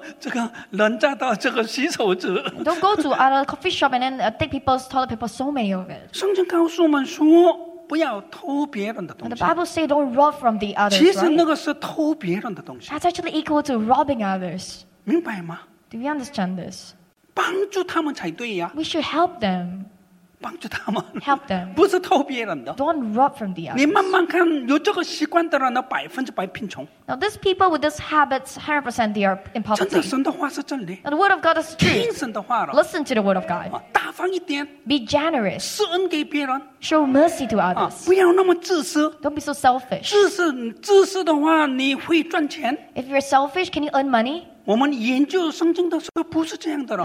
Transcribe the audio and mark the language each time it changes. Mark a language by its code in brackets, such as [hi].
[zh] 或者是你去这个咖啡店的时候，也不要用那么多的这个人家的这个洗手纸。Don't [en] go to other coffee shop and then take people's toilet paper, so many of it. [zh] 圣经告诉我们说。不要偷别人的东西。 [en] The Bible says don't rob from the others. [zh] 其实那个是偷别人的东西。 [en] That's actually equal to robbing others. [zh] 明白吗？ [en] Do you understand this? [zh] 帮助他们才对呀。 [en] We should help them. [zh] 帮助他们。Help [en] them. [zh] 不是偷别人的。 [en] Don't rob from the others. [zh] 你慢慢看，有这个习惯的人呢， 100%贫穷。 [en] Now these people with these habits, 100% they are in poverty. [zh] 真的，神的话是真理。 [en] Now the word of God is truth. [zh] 听神的话了。 [en] Listen to the word of God. [zh] 大方一点。 [en] Be generous. [zh] 施恩给别人。 [en] Show mercy to others. [zh] 不要那么自私。 [en] Don't be so selfish. [zh] 自私的话，你会赚钱。 [en] If you're selfish, can you earn money? [zh] 我们研究圣经的时候不是这样的了。